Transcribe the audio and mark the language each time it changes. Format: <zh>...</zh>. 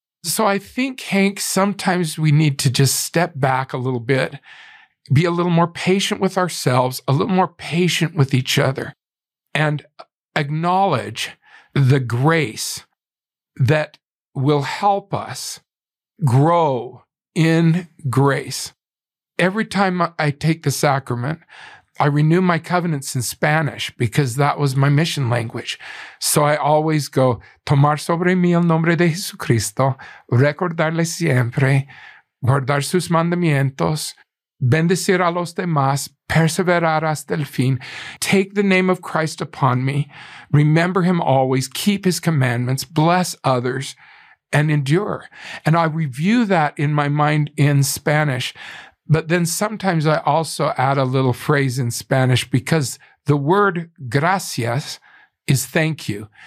<en>So I think, Hank, sometimes we need to just step back a little bit, be a little more patient with ourselves, a little more patient with each other, and acknowledge the grace that will help us grow in grace. Every time I take the sacrament, I renew my covenants in Spanish because that was my mission language. So I always go,</en> <es>tomar sobre mí el nombre de Jesucristo, recordarle siempre, guardar sus mandamientos, bendecir a los demás, perseverar hasta el fin.</es> <en>Take the name of Christ upon me, remember him always, keep his commandments, bless others, and endure. And I review that in my mind in Spanish. But then sometimes I also add a little phrase in Spanish because the word gracias is thank you.</en>